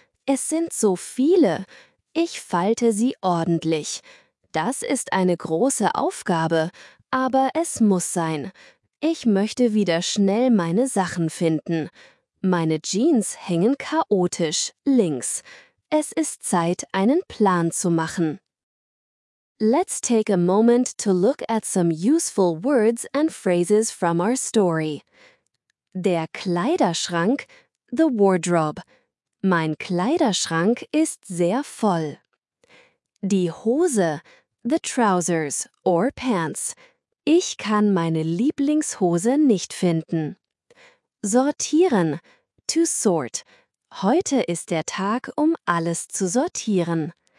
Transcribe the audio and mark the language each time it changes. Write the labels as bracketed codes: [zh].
[de] Es sind so viele. Ich falte sie ordentlich. Das ist eine große Aufgabe, aber es muss sein. Ich möchte wieder schnell meine Sachen finden. Meine Jeans hängen chaotisch links. Es ist Zeit, einen Plan zu machen. [en] Let's take a moment to look at some useful words and phrases from our story. [de] Der Kleiderschrank, [en] the wardrobe. [de] Mein Kleiderschrank ist sehr voll. Die Hose, [en] the trousers or pants. [de] Ich kann meine Lieblingshose nicht finden. Sortieren, [en] to sort. [de] Heute ist der Tag, um alles zu sortieren.